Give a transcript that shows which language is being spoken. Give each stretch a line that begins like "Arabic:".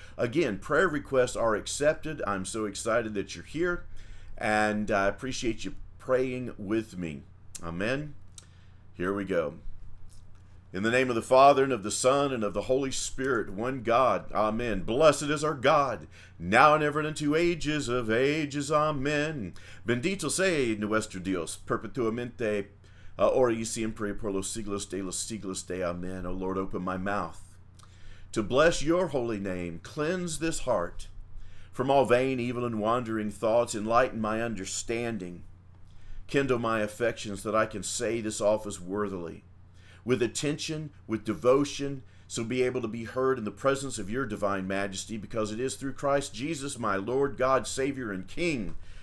English: Again, prayer requests are accepted. I'm so excited that you're here, and I appreciate you praying with me. Amen. Here we go. In the name of the Father, and of the Son, and of the Holy Spirit, one God. Amen. Blessed is our God, now and ever and into ages of ages.
Spanish: Amen. Bendito sei nuestro Dios, perpetuamente. Ora y siempre por los siglos de amen.
English: O Lord, open my mouth to bless your holy name. Cleanse this heart from all vain, evil, and wandering thoughts. Enlighten my understanding. Kindle my affections that I can say this office worthily, with attention, with devotion, so be able to be heard in the presence of your divine majesty, because it is through Christ Jesus, my Lord, God, Savior, and King.